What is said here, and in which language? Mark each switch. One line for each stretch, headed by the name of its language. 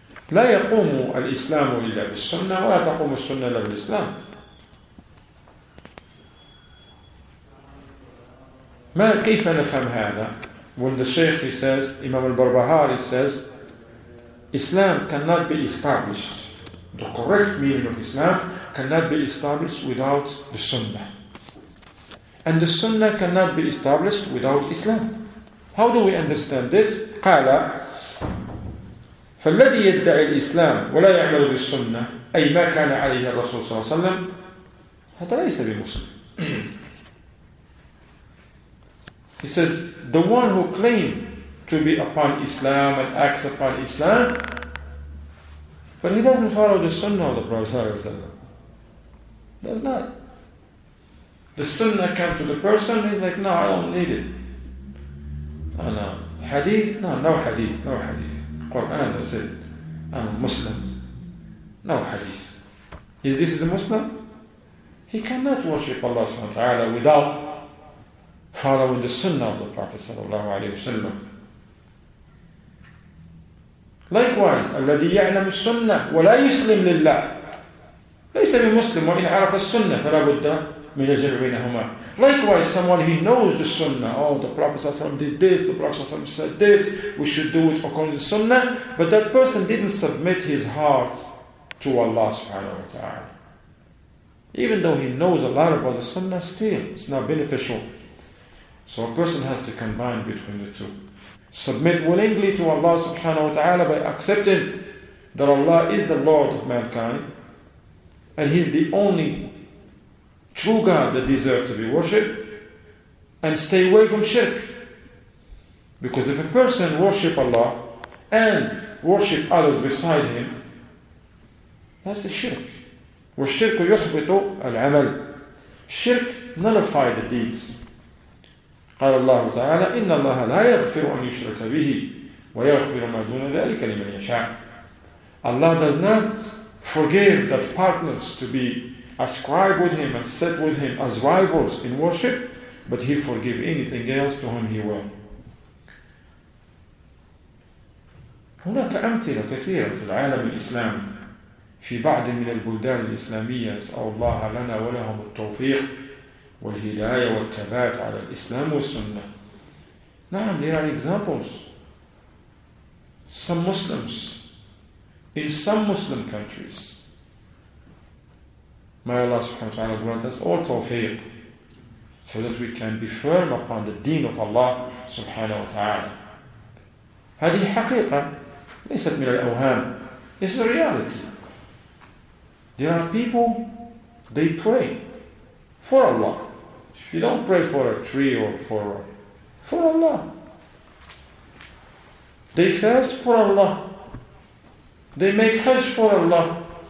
Arabic: لا يقوم الإسلام إلا بالسنة ولا تقوم السنة إلا بالإسلام. ما كيف نفهم هذا؟
English: When the Shaykh says, Imam al-Barbahaaree says, Islam cannot be established. The correct meaning of Islam cannot be established without the Sunnah. And the Sunnah cannot be established without Islam. How do we understand this?
Arabic: قال فالذي يدعي الإسلام ولا يعمل بالسنة أي ما كان عليه الرسول صلى الله عليه وسلم هذا ليس بمسلم.
English: He says, the one who claimed to be upon Islam and act upon Islam, but he doesn't follow the Sunnah of the Prophet ﷺ. Does not. The Sunnah came to the person, he's like, no, I don't need it. Oh, no. Hadith? No, no hadith, no hadith. Quran, that's it. I'm Muslim. No hadith. Is this a Muslim? He cannot worship Allah subhanahu wa ta'ala without following the Sunnah of the Prophet sallallahu alayhi wa sallam. Likewise,
Arabic: الَّذِي يَعْلَمُ السُّنَّةِ وَلَا يُسْلِمْ لِلَّهِ لَيْسَ بِمُسْلِمُ وَإِنْ عَرَفَ السُّنَّةِ فَلَا بُدَّ مِنْ يَجْرِ بَيْنَهُمَا.
English: Likewise, someone, he knows the Sunnah. Oh, the Prophet sallallahu alayhi wa sallam did this, the Prophet sallallahu alayhi wa sallam said this, we should do it according to the Sunnah. But that person didn't submit his heart to Allah subhanahu wa ta'ala. Even though he knows a lot about the Sunnah, still, it's not beneficial. So a person has to combine between the two. Submit willingly to Allah subhanahu wa ta'ala by accepting that Allah is the Lord of mankind and He's the only true God that deserves to be worshipped, and stay away from shirk. Because if a person worships Allah and worships others beside Him, that's a shirk.
Arabic: وَالشِّرْكُ يُحْبِطُ الْعَمَلِ.
English: Shirk nullify the deeds.
Arabic: قال الله تعالى إن الله لا يغفر أن يشرك به ويغفر ما دون ذلك لمن يشاء.
English: Allah does not forgive that partners to be ascribed with Him and set with Him as rivals in worship, but He forgives anything else to whom He will.
Arabic: هناك أمثلة كثيرة في العالم الإسلامي في بعض من البلدان الإسلامية. أسأل الله لنا ولهم التوفيق والهداية والثبات على الإسلام والسنة.
English: نعم, there are examples. Some Muslims, in some Muslim countries, may Allah subhanahu wa ta'ala grant us all tawfiq, so that we can be firm upon the deen of Allah subhanahu wa ta'ala.
Arabic: هذه حقيقة ليست من الأوهام.
English: It's a reality. There are people, they pray for Allah. If you don't pray for a tree or for Allah. They fast for Allah. They make hajj for Allah.